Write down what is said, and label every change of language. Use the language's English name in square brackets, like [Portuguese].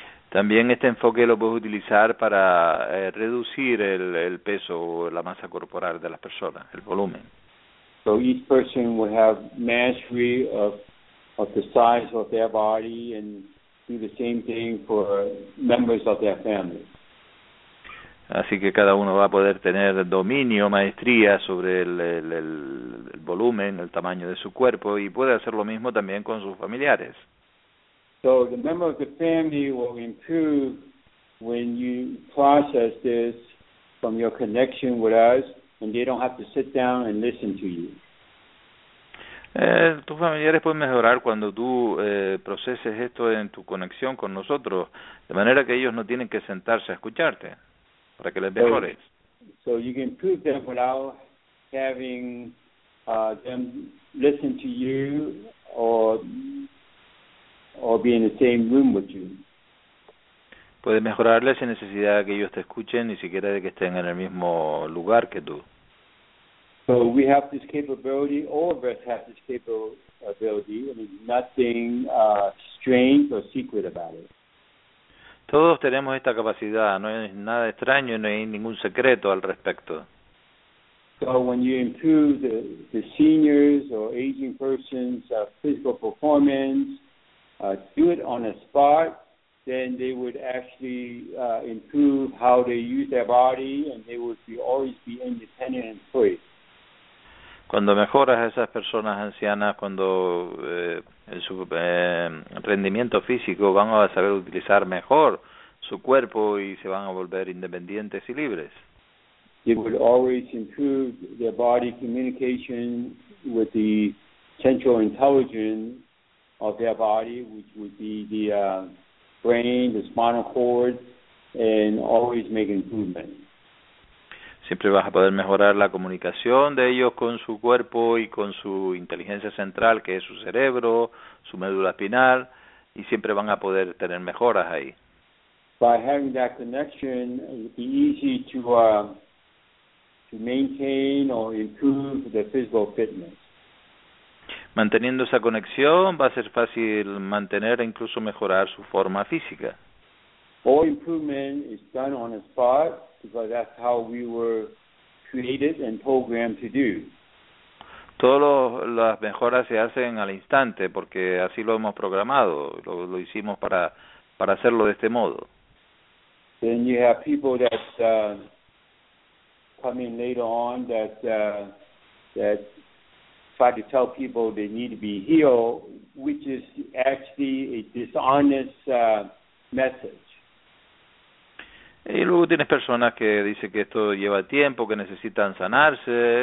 [Spanish] También este enfoque lo puedes utilizar para reducir el peso o la masa corporal de las personas, el volumen. [English] So each person will have mastery of the size of their body and do the same thing for members of their family. [Spanish] Así que cada uno va a poder tener dominio, maestría sobre el volumen, el tamaño de su cuerpo, y puede hacer lo mismo también con sus familiares. [English] So the member of the family will improve when you process this from your connection with us, and they don't have to sit down and listen to you. [Spanish] Tus familiares pueden mejorar cuando tú proceses esto en tu conexión con nosotros, de manera que ellos no tienen que sentarse a escucharte, para que les mejores. [English] So you can improve them without having them listen to you or be in the same room with you. [Spanish] Puedes mejorarles sin necesidad de que ellos te escuchen, ni siquiera de que estén en el mismo lugar que tú. [English] So we have this capability, all of us have this capability, and there's nothing strange or secret about it. [Spanish] Todos tenemos esta capacidad, no es nada extraño y no hay ningún secreto al respecto. [English] So when you improve the seniors or aging persons' physical performance, do it on a spot, then they would actually improve how they use their body and they would be always be independent and free. [Spanish] Cuando mejoras a esas personas ancianas, cuando su rendimiento físico van a saber utilizar mejor su cuerpo y se van a volver independientes y libres. [English] It would always improve their body communication with the central intelligence of their body, which would be the brain, the spinal cord, and always make improvement. [Spanish] Siempre vas a poder mejorar la comunicación de ellos con su cuerpo y con su inteligencia central, que es su cerebro, su médula espinal, y siempre van a poder tener mejoras ahí. [English] By having that connection, it would be easy to maintain or improve the physical fitness. [Spanish] Manteniendo esa conexión, va a ser fácil mantener e incluso mejorar su forma física. [English] All improvement is done on the spot because that's how we were created and programmed to do. [Spanish] Todas las mejoras se hacen al instante porque así lo hemos programado, lo hicimos para hacerlo de este modo. [English] Then you have people that come in later on that try to tell people they need to be healed, which is actually a dishonest message. [Spanish] Y luego tienes personas que dicen que esto lleva tiempo, que necesitan sanarse.